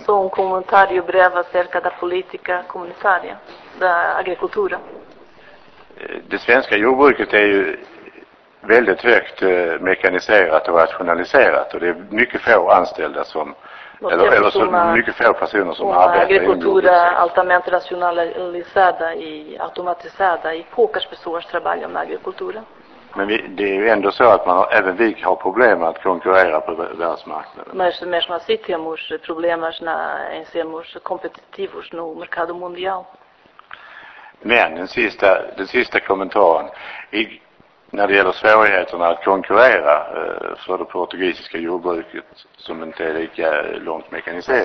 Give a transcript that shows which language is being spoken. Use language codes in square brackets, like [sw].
[sv] Så en kommentar [pt] breve acerca da política comunitária, da agricultura. [sv] Det svenska jordbruket är ju väldigt högt mekaniserat och rationaliserat, och det är mycket få anställda som eller så mycket få personer som arbetar i jordbruket. [pt] Agricultura altamente racionalizada e automatizada e poucas pessoas trabalham na agricultura. [sv] Men det är ju ändå så att man även vi har problem att konkurrera på världsmarknaden. [pt] Mas mesmo assim temos problemas em sermos competitivos no mercado mundial. [sv] Men den sista kommentaren, när det gäller svårigheterna att konkurrera för det portugisiska jordbruket som inte är lika långt mekaniserat.